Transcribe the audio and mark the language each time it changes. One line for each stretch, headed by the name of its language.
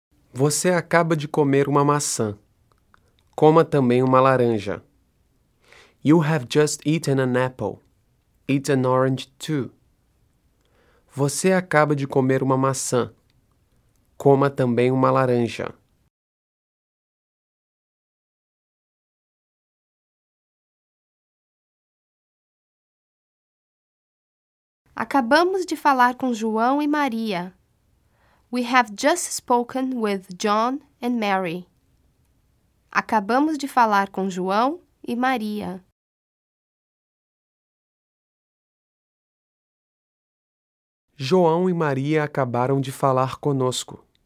Portuguese: Você acaba de comer uma maçã. Coma também uma laranja.
English: You have just eaten an apple. Eat an orange too.
Portuguese: Você acaba de comer uma maçã. Coma também uma laranja. Acabamos de falar com João e Maria.
English: We have just spoken with John and Mary.
Portuguese: Acabamos de falar com João e Maria. João e Maria acabaram de falar conosco.